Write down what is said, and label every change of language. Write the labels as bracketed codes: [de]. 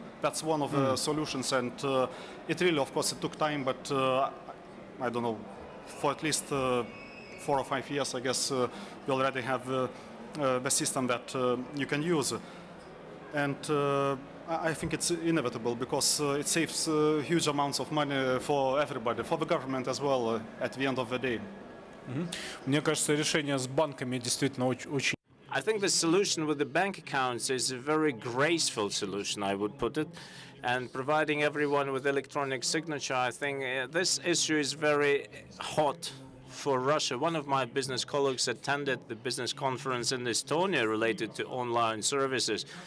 [en] That's one of the solutions, and it really, of course, it took time, but I don't know, for at least 4 or 5 years, I guess, we already have the system that you can use. And I think it's inevitable because it saves huge amounts of money for everybody, for the government as well, at the end of the day. [ru] Мне кажется, решение с банками действительно очень. [en] I think the solution with the bank accounts is a very graceful solution, I would put it. And providing everyone with electronic signature, I think this issue is very hot for Russia. One of my business colleagues attended the business conference in Estonia related to online services.